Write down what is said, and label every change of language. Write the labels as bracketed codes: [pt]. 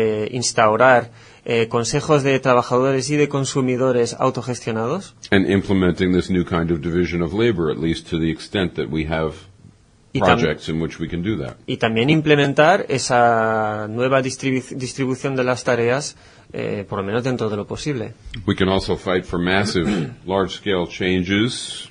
[es] instaurar consejos de trabajadores y de consumidores autogestionados, [en] and implementing this new kind of division of labor, at least to the extent that we have projects in which we can do that. [es] Y también implementar esa nueva distribución de las tareas, por lo menos dentro de lo posible. [en] We can also fight for massive, large-scale changes.